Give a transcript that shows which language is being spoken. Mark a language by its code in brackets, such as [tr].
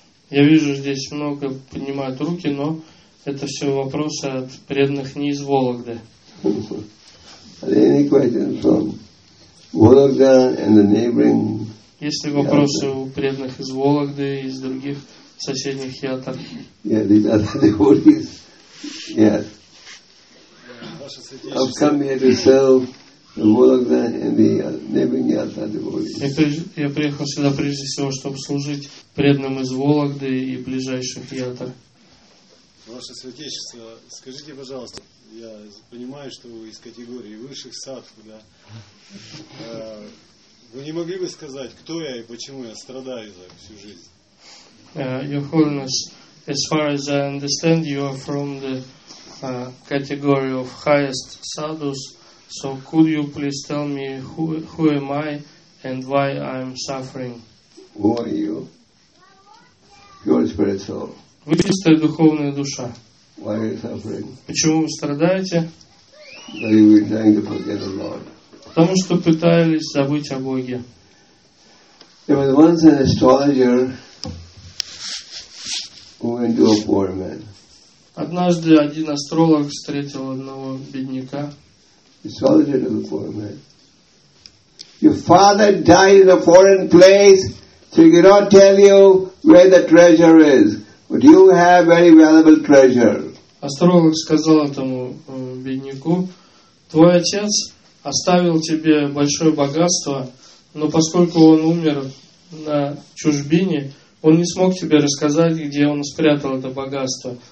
[ru] Я вижу здесь много поднимают руки, но это все вопросы от преданных не из Вологды. [en] Any questions from Vologda and the neighboring? [ru] Есть ли вопросы у преданных из Вологды и из других соседних ятар? [en] Yeah, these other devotees. Yes. I've come here to sell the Vologda and the neighboring ятар devotees. [ru] Я приехал сюда прежде всего, чтобы служить преданным из Вологды и ближайших ятар. Ваше святейшество, скажите, пожалуйста, я понимаю, что вы из категории высших садху, да? Вы не могли бы сказать, кто я и почему я страдаю за всю жизнь? [en] Your Holiness, as far as I understand, you are from the category of highest sadhus, so could you please tell me who am I and why I'm suffering? Who are you? Pure spirit soul. [ru] Вы чистая духовная душа. [en] Why are you suffering? [ru] Почему вы страдаете? [en] That you were trying to forget the Lord. [ru] Потому что пытались забыть о Боге. [en] There was once an astrologer who went to a poor man. [ru] Однажды один астролог встретил одного бедняка. [en] Astrologer to the poor man. Your father died in a foreign place, so he cannot tell you where the treasure is. But you have very valuable treasure. [ru] Астролог сказал этому бедняку: твой отец оставил тебе большое богатство, но поскольку он умер на чужбине, он не смог тебе рассказать, где он спрятал это богатство.